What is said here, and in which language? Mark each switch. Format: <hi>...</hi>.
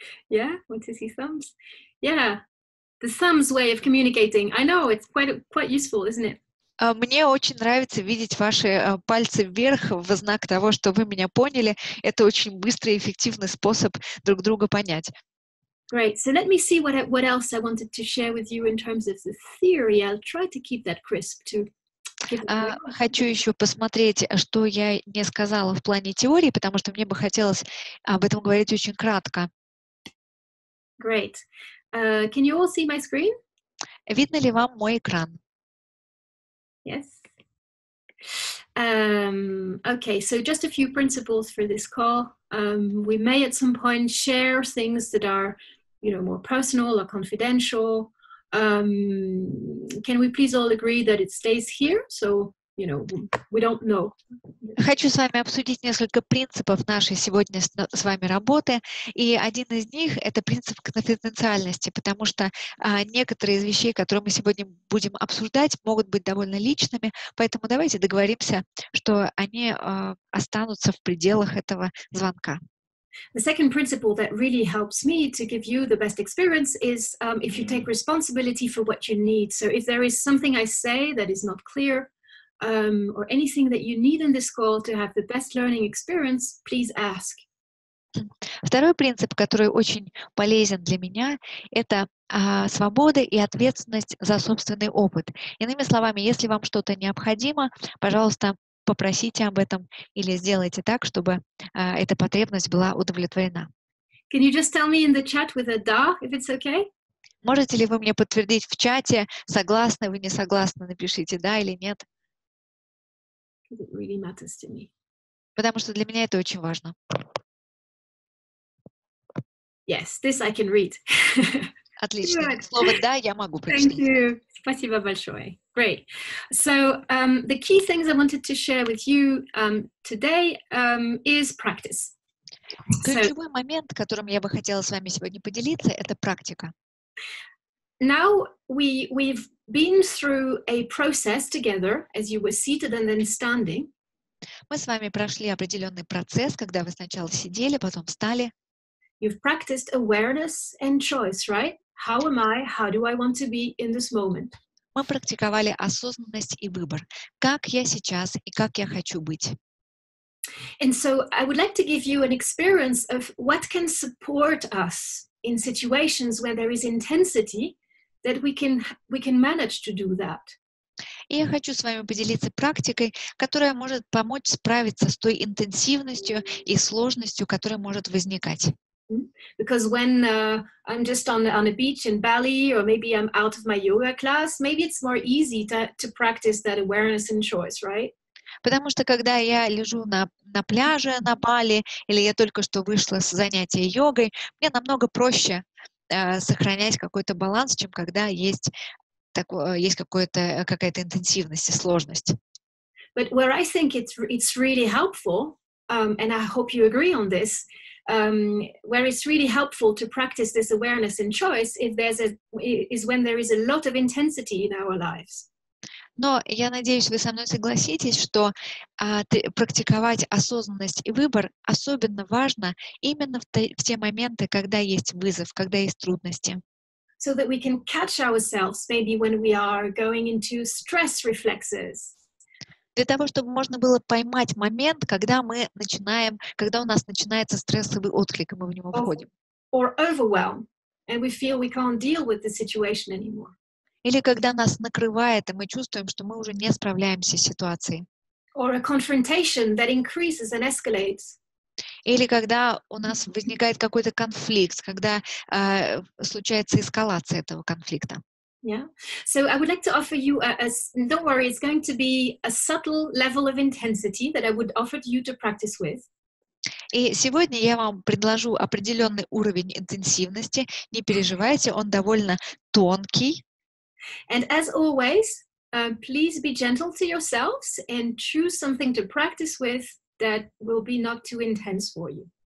<en>Yeah, want to see thumbs? Yeah. The thumbs way of communicating. I know it's quite useful, isn't it?</en> <ru>Мне очень нравится видеть ваши пальцы вверх в знак того, что вы меня поняли. Это очень быстрый и эффективный способ друг друга понять.</ru> <en>Great. So let me see what else I wanted to share with you in terms of the theory. I'll try to keep that crisp too.</en> <ru>Хочу еще посмотреть, что я не сказала в плане теории, потому что мне бы хотелось об этом говорить очень кратко.</ru> <en>Great. Can you all see my screen?</en> <ru>Видно ли вам мой экран?</ru> <en>Yes. Okay, so just a few principles for this call. We may at some point share things that are, you know, more personal or confidential. Can we please all agree that it stays here? So, you know, we don't know.</en> <ru>Хочу с вами обсудить несколько принципов нашей сегодня с вами работы, и один из них — это принцип конфиденциальности, потому что некоторые из вещей, которые мы сегодня будем обсуждать, могут быть довольно личными, поэтому давайте договоримся, что они останутся в пределах этого звонка.</ru> <en>The second principle that really helps me to give you the best experience is if you take responsibility for what you need. So if there is something I say that is not clear, or anything that you need in this call to have the best learning experience, please ask.</en> <ru>Второй принцип, который очень полезен для меня, это свобода и ответственность за собственный опыт. Иными словами, если вам что-то необходимо, пожалуйста, попросите об этом или сделайте так, чтобы эта потребность была удовлетворена.</ru> <en>Can you just tell me in the chat with a da, if it's okay?</en> <ru>Можете ли вы мне подтвердить в чате, согласны вы, не согласны, напишите да или нет?</ru> <en>It really matters to me.</en> <ru>Потому что для меня это очень важно.</ru> <en>Yes, this I can read.</en> <ru>Отлично. Слово «да» я могу прочитать.</ru> <en>Thank you.</en> <ru>Спасибо большое.</ru> <en>Great. So, the key things I wanted to share with you today is practice.</en> <ru>Ключевой момент, которым я бы хотела с вами сегодня поделиться, это практика.</ru> <en>Now we've been through a process together, as you were seated and then standing.</en> <ru>Мы с вами прошли определенный процесс, когда вы сначала сидели, потом встали.</ru> <en>You've practiced awareness and choice, right? How am I? How do I want to be in this moment?</en> <ru>Мы практиковали осознанность и выбор. Как я сейчас и как я хочу быть?</ru> <en>And so I would like to give you an experience of what can support us in situations where there is intensity that we can manage to do that.</en> <ru>И я хочу с вами поделиться практикой, которая может помочь справиться с той интенсивностью и сложностью, которая может возникать.</ru> <en>Because when I'm just on a beach in Bali, or maybe I'm out of my yoga class, maybe it's more easy to practice that awareness and choice, right?</en> <ru>Потому что когда я лежу на пляже на Бали, или я только что вышла с занятия йогой, мне намного проще сохранять какой-то баланс, чем когда есть какая-то интенсивность и сложность.</ru> <en>But where I think it's really helpful, and I hope you agree on this. Where it's really helpful to practice this awareness and choice is when there is a lot of intensity in our lives.</en> <ru>Но я надеюсь, вы со мной согласитесь, что практиковать осознанность и выбор особенно важно именно в те моменты, когда есть вызов, когда есть трудности.</ru> <en>So that we can catch ourselves maybe when we are going into stress reflexes.</en> <ru>Для того, чтобы можно было поймать момент, когда у нас начинается стрессовый отклик, и мы в него входим.</ru> <en>Or overwhelm, and we feel we can't deal with the situation anymore.</en> <ru>Или когда нас накрывает, и мы чувствуем, что мы уже не справляемся с ситуацией.</ru> <en>Or a confrontation that increases and escalates.</en> <ru>Или когда у нас возникает какой-то конфликт, когда случается эскалация этого конфликта.</ru> <en>Yeah. So I would like to offer you don't worry, it's going to be a subtle level of intensity that I would offer you to practice with.</en> <ru>И сегодня я вам предложу определенный уровень интенсивности. Не переживайте, он довольно тонкий.</ru> <en>And as always, please be gentle to yourselves and choose something to practice with that will be not too intense for you.</en>